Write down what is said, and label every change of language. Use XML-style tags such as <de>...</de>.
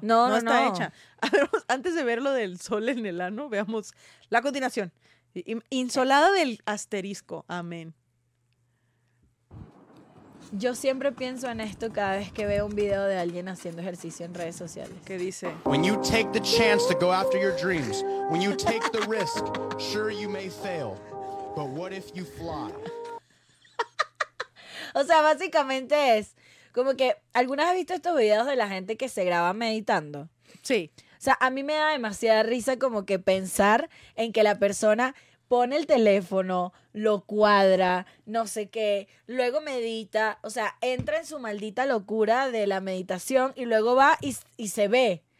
<es>No. Está hecha. A ver, antes de ver lo del sol en el ano, veamos la continuación. Insolada del asterisco. Amén. Yo siempre pienso en esto cada vez que veo un video de alguien haciendo ejercicio en redes sociales. ¿Qué dice?</es> <en>When you take the chance to go after your dreams, when you take the risk, sure you may fail, but what if you fly?</en> <es>O sea, básicamente es como que, ¿algunas has visto estos videos de la gente que se graba meditando? Sí. O sea, a mí me da demasiada risa como que pensar en que la persona pone el teléfono, lo cuadra, no sé qué, luego medita, o sea, entra en su maldita locura de la meditación y luego va y se ve.</es>